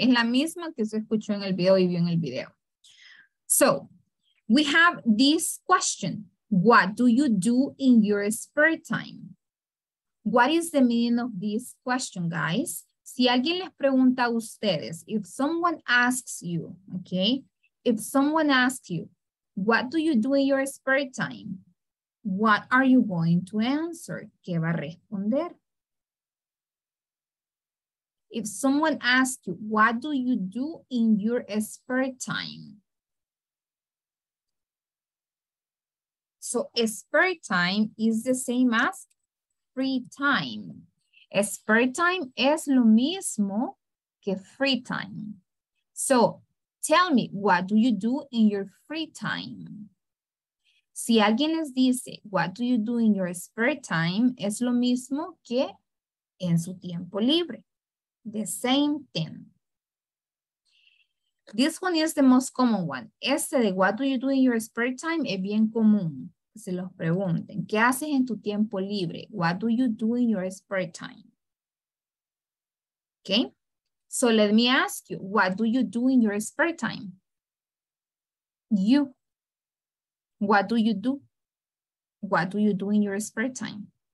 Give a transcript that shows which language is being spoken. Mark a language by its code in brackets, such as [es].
[es] Es la misma que se escuchó en el video y vio en el video. [en] So, we have this question. What do you do in your spare time? What is the meaning of this question, guys? [es] Si alguien les pregunta a ustedes, [en] if someone asks you, okay? If someone asks you, What do you do in your spare time? What are you going to answer? [es] ¿Qué va a responder? [en] If someone asks you, what do you do in your spare time? So spare time is the same as free time. [es] Spare time es lo mismo que free time. [en] So tell me, what do you do in your free time? [es] Si alguien les dice, [en] what do you do in your spare time? [es] Es lo mismo que en su tiempo libre. [en] The same thing. This one is the most common one. [es] Este de [en] what do you do in your spare time [es] es bien común. Se los pregunten, ¿qué haces en tu tiempo libre? [en] What do you do in your spare time? Okay, so let me ask you, what do you do in your spare time? You, what do you do? What do you do in your spare time?